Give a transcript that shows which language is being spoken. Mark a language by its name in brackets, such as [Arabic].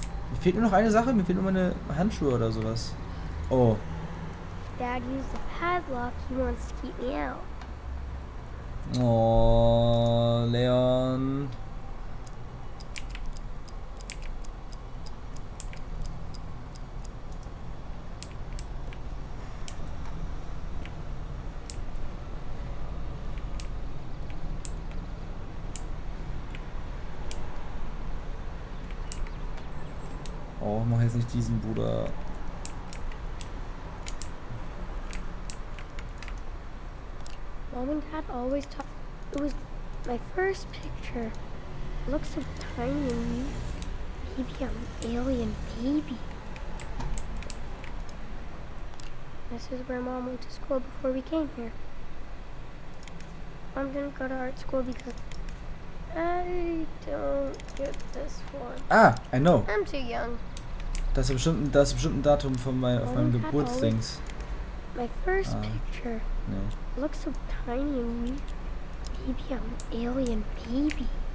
[German] Mir fehlt nur noch eine Sache, mir fehlt nur meine Handschuhe oder sowas. Oh. [English] Dad used the padlock, he wants to keep me out. Oh, Leon. [German] Oh, mach jetzt nicht diesen Bruder. [English] Mom and Dad always talk. It was my first picture. It looks so tiny and weak. Maybe I'm an alien baby. This is where Mom went to school before we came here. Mom didn't go to art school because I don't get this one. Ah, I know. I'm too young. [German] Das ist bestimmt ein Datum von meinem Geburtsdings. [English] My first picture. [German] Nee. [English] Looks so tiny and weak. Maybe I'm an alien baby.